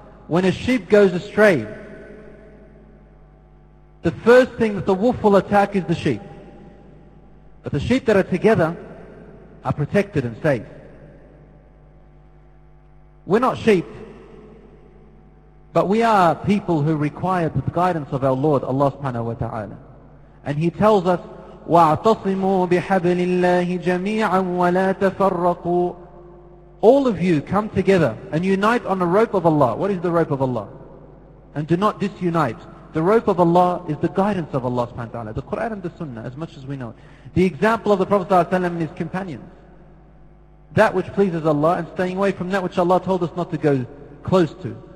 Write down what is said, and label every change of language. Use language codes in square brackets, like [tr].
[en] When a sheep goes astray, the first thing that the wolf will attack is the sheep. But the sheep that are together are protected and safe. We're not sheep, but we are people who require the guidance of our Lord, Allah subhanahu wa ta'ala. And He tells us, [ar] وَاعْتَصِمُوا بِحَبْلِ اللَّهِ جَمِيعًا وَلَا تَفَرَّقُوا. [en] All of you come together and unite on the rope of Allah. What is the rope of Allah? And do not disunite. The rope of Allah is the guidance of Allah subhanahu wa ta'ala. The Quran and the Sunnah, as much as we know. The example of the Prophet sallallahu alayhi wa sallam and his companions. That which pleases Allah and staying away from that which Allah told us not to go close to.